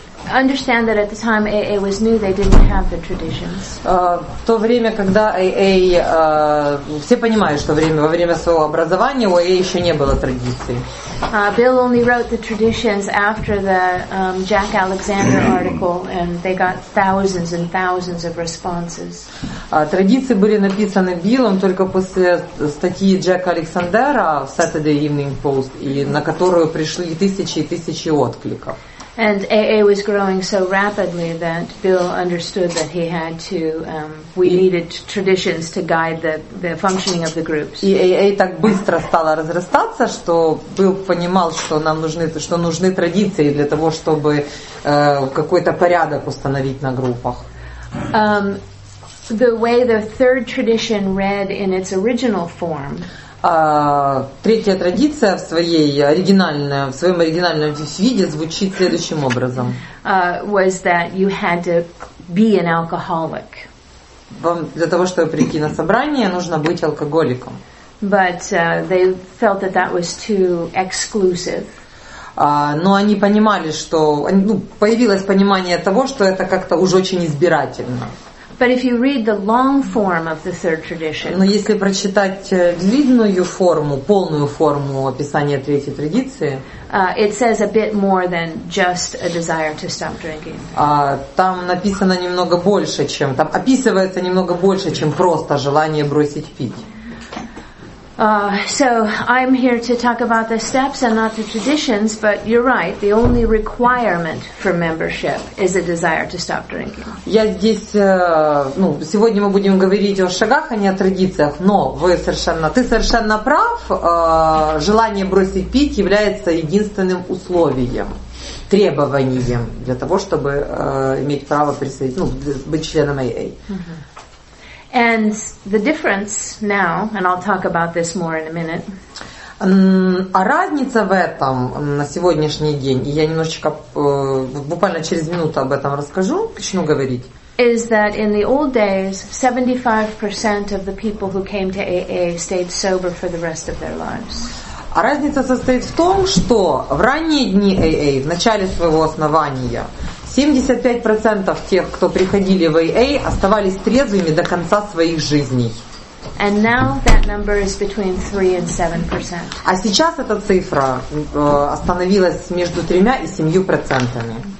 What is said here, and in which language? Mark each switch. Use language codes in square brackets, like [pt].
[en] Understand that at the time AA was new, they didn't have the traditions. [ru] В то время, когда AA, все понимают, что во время своего образования у AA еще не было традиций. [en] Bill only wrote the traditions after the Jack Alexander article, and they got thousands and thousands of responses. [ru] Традиции были написаны Биллом только после статьи Джека Александера в Saturday Evening Post, и на которую пришли тысячи и тысячи откликов. [en] And AA was growing so rapidly that Bill understood that he had to, we needed traditions to guide the functioning of the groups. [ru] И AA так быстро стала разрастаться, что Билл понимал, что нам нужны, что нужны традиции для того, чтобы какой-то порядок установить на группах. [en] The way the third tradition read in its original form. [ru] Третья традиция в своем оригинальном виде звучит следующим образом. [en] Was that you had to be an alcoholic. [ru] Вам для того, чтобы прийти на собрание, нужно быть алкоголиком. [en] But they felt that that was too exclusive. [ru] Но они понимали, что появилось понимание того, что это как-то уж очень избирательно. [en] But if you read the long form of the third tradition. [ru] Но если прочитать длинную форму, полную форму описания третьей традиции, [en] it says a bit more than just a desire to stop drinking. [ru] Там написано немного больше, чем там описывается немного больше, чем просто желание бросить пить. [en] So I'm here to talk about the steps and not the traditions, but you're right, the only requirement for membership is a desire to stop drinking. [ru] Я здесь, сегодня мы будем говорить о шагах, а не о традициях, но ты совершенно прав, желание бросить пить является единственным условием, требованием для того, чтобы иметь право быть членом AA. [en] And the difference now, and I'll talk about this more in a minute. [ru] А разница в этом на сегодняшний день, и я немножечко буквально через минуту об этом расскажу, начну говорить. [en] Is that in the old days, 75% of the people who came to AA stayed sober for the rest of their lives. [ru] А разница состоит в том, что в ранние дни AA, в начале своего основания, 75% тех, кто приходили в AA, оставались трезвыми до конца своих жизней. [en] And now that number is between 3% and 7%. [ru] А сейчас эта цифра остановилась между 3% и 7%.